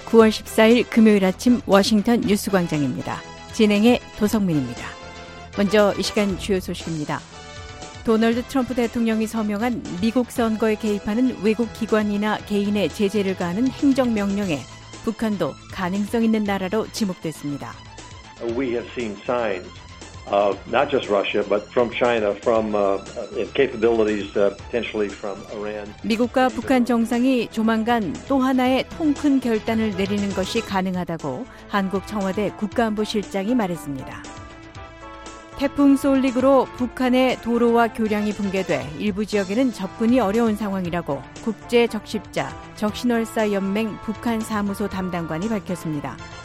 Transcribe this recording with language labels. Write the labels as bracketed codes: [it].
[ko] 9월 14일 금요일 아침 워싱턴 뉴스 광장입니다. 진행의 도성민입니다. 먼저 이 시간 주요 소식입니다. 도널드 트럼프 대통령이 서명한 미국 선거에 개입하는 외국 기관이나 개인의 제재를 가하는 행정명령에 북한도 가능성 있는 나라로 지목됐습니다. [en] We have seen signs of not just Russia but from China from capabilities potentially from Iran. [ko] 미국과 북한 정상이 조만간 또 하나의 통 큰 결단을 내리는 것이 가능하다고 한국 청와대 국가안보실장이 말했습니다. 태풍 솔릭으로 북한의 도로와 교량이 붕괴돼 일부 지역에는 접근이 어려운 상황이라고 국제적십자 적신월사연맹 북한 사무소 담당관이 밝혔습니다.